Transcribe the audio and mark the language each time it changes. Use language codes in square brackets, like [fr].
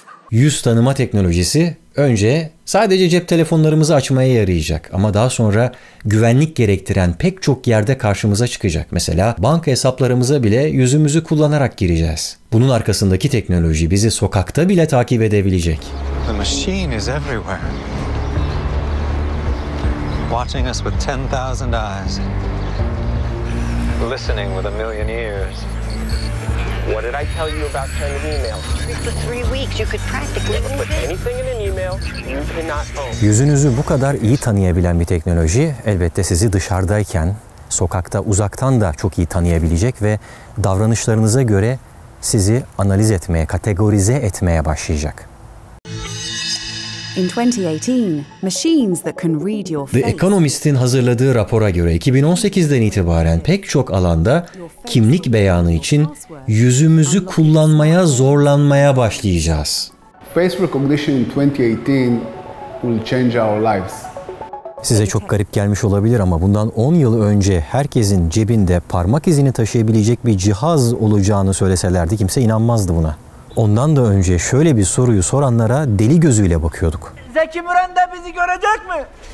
[tr] Yüz tanıma teknolojisi önce sadece cep telefonlarımızı açmaya yarayacak ama daha sonra güvenlik gerektiren pek çok yerde karşımıza çıkacak. Mesela banka hesaplarımıza bile yüzümüzü kullanarak gireceğiz. Bunun arkasındaki teknoloji bizi sokakta bile takip edebilecek. [en] The machine is everywhere. Watching us with 10,000 eyes. Listening with a million ears. What did I tell you about sending emails? For 3 weeks you could practically never put anything in an email you cannot own. [tr] Yüzünüzü bu kadar iyi tanıyabilen bir teknoloji elbette sizi dışarıdayken, sokakta, uzaktan da çok iyi tanıyabilecek ve davranışlarınıza göre sizi analiz etmeye, kategorize etmeye başlayacak. [en] In 2018, machines that can read your face. [tr] The Economist'in hazırladığı rapora göre 2018'den itibaren pek çok alanda kimlik beyanı için yüzümüzü kullanmaya zorlanmaya başlayacağız. [en] Face recognition in 2018 will change our lives. [tr] Size çok garip gelmiş olabilir ama bundan 10 yıl önce herkesin cebinde parmak izini taşıyabilecek bir cihaz olacağını söyleselerdi kimse inanmazdı buna. Ondan da önce şöyle bir soruyu soranlara deli gözüyle bakıyorduk. Zeki Müren de bizi görecek mi?